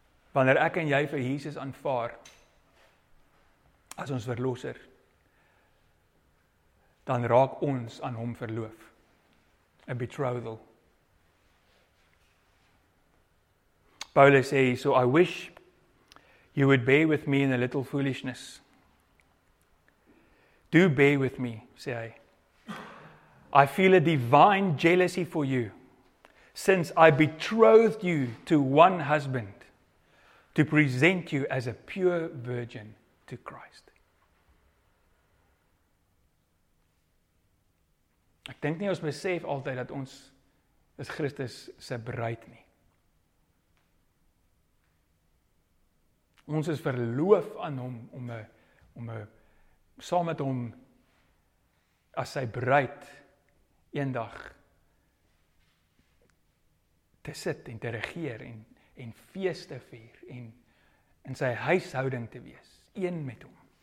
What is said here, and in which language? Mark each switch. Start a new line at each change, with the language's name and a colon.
Afrikaans: Wanneer ek en jy vir Jesus aanvaar, as ons verlosser, dan raak ons aan hom verloof. 'N betrothal.
English: Paulus sê, so I wish you would bear with me in a little foolishness. Do bear with me,
Afrikaans: sê hy.
English: I feel a divine jealousy for you, since I betrothed you to one husband, to present you as a pure virgin to Christ.
Afrikaans: Ek dink nie ons besef altyd dat ons is Christus se bruid nie. Ons is verloof aan hom om saam met hom as sy bruid eendag te sit en te regeer en feeste te vier en in sy huishouding te wees, een met hom.